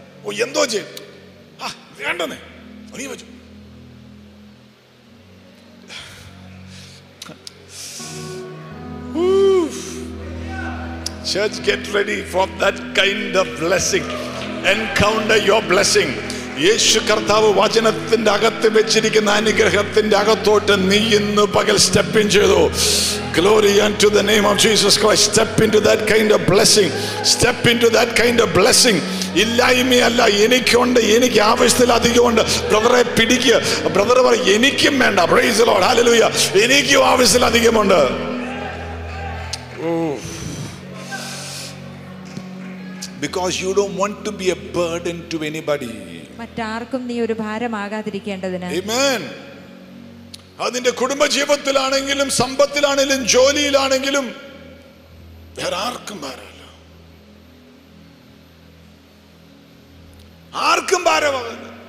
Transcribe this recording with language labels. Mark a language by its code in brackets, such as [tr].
[en] Oh, endo je ha vendane ani vachu oof. Church, get ready for that kind of blessing. Encounter your blessing. [ml] യേശു കർത്താവ് വചനത്തിന്റെ അകത്ത് വെച്ചിരിക്കുന്ന അനുഗ്രഹത്തിന്റെ അകത്തോട്ട് നീ ഇന്ന് പകൽ [en] step in [ml] ചെയ്തു. [en] Glory unto the name of Jesus Christ. Step into that kind of blessing. Step into that kind of blessing. [ml] ഇല്ലായ്മയല്ല, എനിക്കുണ്ട്, എനിക്ക് ആവശ്യത്തിൽ അധികമുണ്ട്. ബ്രദറെ പിടിക്കുക. ബ്രദർ പറ, എനിക്കും വേണ്ട. [en] Praise the Lord. [ml] ഹല്ലേലൂയ. എനിക്കും ആവശ്യത്തിൽ അധികമുണ്ട്. ഓ [en] because you don't want to be a burden to anybody. [ml] മറ്റാർക്കും നീ ഒരു ഭാരമാകാതിരിക്കേണ്ടതിനാ. [en] Amen. [ml] അതിന്റെ കുടുംബജീവിതത്തിലാണെങ്കിലും സമ്പത്തിലാണെങ്കിലും ജോലിയിലാണെങ്കിലും വേറെ ആർക്കും ഭാരമല്ല, ആർക്കും ഭാരമാകല്ല.